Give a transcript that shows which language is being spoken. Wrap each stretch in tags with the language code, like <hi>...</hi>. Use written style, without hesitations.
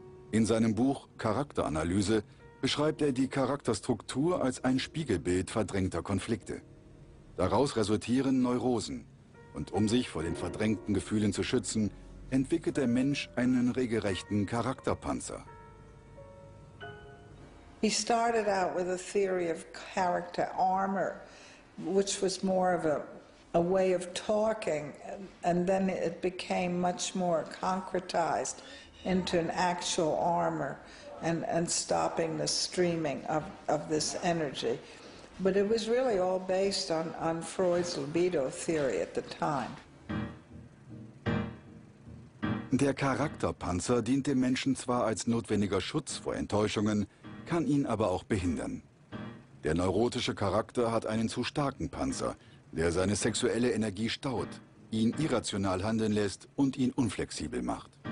<de>In seinem Buch Charakteranalyse beschreibt er die Charakterstruktur als ein Spiegelbild verdrängter Konflikte. Daraus resultieren Neurosen. Und um sich vor den verdrängten Gefühlen zu schützen, entwickelt der Mensch einen regelrechten Charakterpanzer.</de> <en>He started out with a theory of character armor, which was more of a way of talking, and then it became much more concretized into an actual armor and stopping the streaming of this energy. But it was really all based on Freud's libido theory at the time.</en> <de>Der Charakterpanzer dient dem Menschen zwar als notwendiger Schutz vor Enttäuschungen, kann ihn aber auch behindern. Der neurotische Charakter hat einen zu starken Panzer, der seine sexuelle Energie staut ihn irrational handeln lässt und ihn unflexibel macht.</de>